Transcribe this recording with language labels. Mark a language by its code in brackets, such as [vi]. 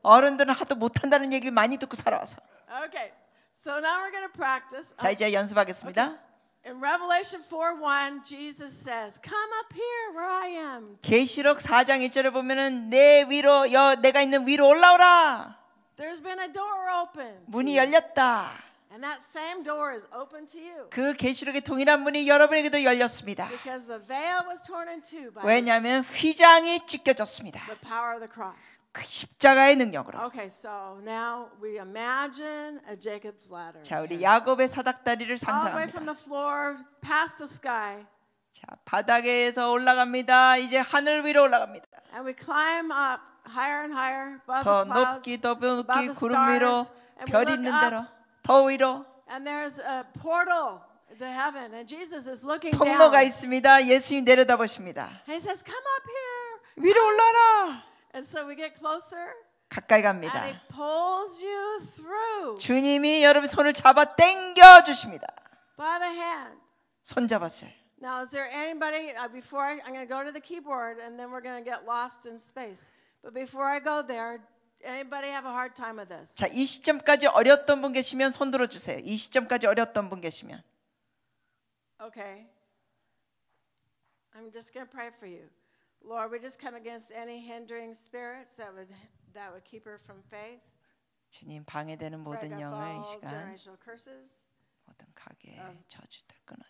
[ko] 어른들은 하도 못한다는 얘기를 많이 듣고 살아와서. [en] Okay, so now we're going to practice. [ko] 자 이제 연습하겠습니다. [en] Okay. In Revelation 4:1, Jesus says, "Come up here where I am." [ko] 계시록 4장 1절을 보면은 내 위로 여 내가 있는 위로 올라오라. [en] There's been a door open. [ko] 문이 열렸다. [en] And that same door is open to you. [ko] 그 계시록의 동일한 문이 여러분에게도 열렸습니다. [en] Because the veil was torn in two by. [ko] 왜냐하면 휘장이 찢겨졌습니다. [en] The power of the cross. [ko] 그 십자가의 능력으로. [en] Okay, so now we imagine a Jacob's ladder. [ko] 자, 우리 야곱의 사닥다리를 상상합니다. [en] All the way from the floor past the sky. [ko] 자, 바닥에서 올라갑니다. 이제 하늘 위로 올라갑니다. [en] And we climb up higher and higher above the clouds. [ko] 더 높이 [en] above the stars, [ko] 구름 위로 별 있는 대로 더 위로. [en] And there's a portal to heaven and Jesus is looking [ko] 통로가 [en] down. [ko] 통로가 있습니다. 예수님 내려다보십니다. [en] He says, "Come up here." [ko] 위로 올라라. [en] And so we get closer. [ko] 가까이 갑니다. [en] And he pulls you through. [ko] 주님이 여러분 손을 잡아 당겨 주십니다. [en] By the hand. [ko] 손 잡았어요. [en] Now is there anybody before I'm going to go to the keyboard and then we're going to get lost in space. But before I go there, anybody have a hard time with this? [ko] 자, 이 시점까지 어려웠던 분 계시면 손 들어 주세요. 이 시점까지 어려웠던 분 계시면. [en] Okay. I'm just going to pray for you. Lord, we just come against any hindering spirits that would keep her from faith. [ko] 주님 방해되는 모든 영을 이 시간 모든 가게 저주들 끊어